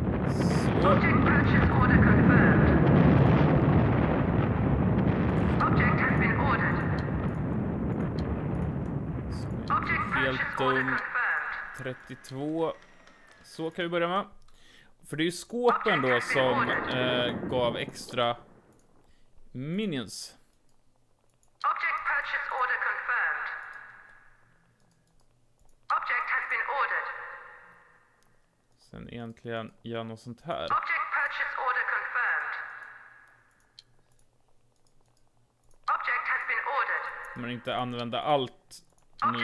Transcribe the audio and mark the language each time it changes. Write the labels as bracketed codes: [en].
[en] Så. Object purchase order confirmed. Object has been ordered. Object purchase order confirmed. [sv] 32. Så kan vi börja med. För det är ju skåpen då som gav extra minions. [en] Object purchase order confirmed. Object has been ordered. [sv] Sen egentligen gör något sånt här. [en] Object purchase order confirmed. Object has been ordered. [sv] Men inte använda allt nu.